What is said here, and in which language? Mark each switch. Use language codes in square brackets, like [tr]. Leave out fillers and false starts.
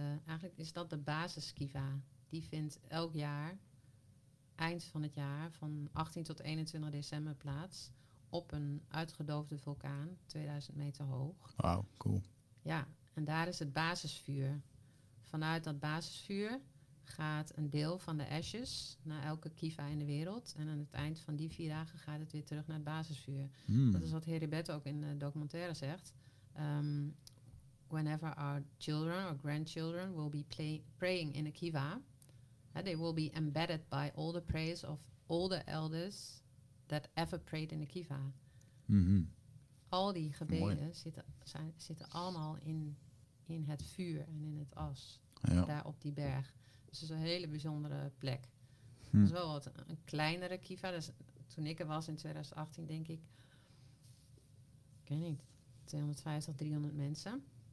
[nl] Eigenlijk is dat de basiskiva. Die vindt elk jaar, eind van het jaar, van 18 tot 21 december plaats op een uitgedoofde vulkaan, 2000 meter hoog. Wauw, cool. Ja, en daar is het basisvuur. Vanuit dat basisvuur gaat een deel van de ashes naar elke kiva in de wereld. En aan het eind van die vier dagen gaat het weer terug naar het basisvuur. Hmm. Dat is wat Heribert ook in de documentaire zegt. [en] Whenever our children or grandchildren will be praying in a kiva, they will be embedded by all the prayers of all the elders that ever prayed in a kiva. Mm-hmm. [nl] Al die gebeden zitten allemaal in het vuur en in het as. Ja. Daar op die berg. Dus het is een hele bijzondere plek. Hm. Dat is wel wat een kleinere kiva. Dus toen ik er was in 2018, denk ik, ik weet niet, 250, 300 mensen.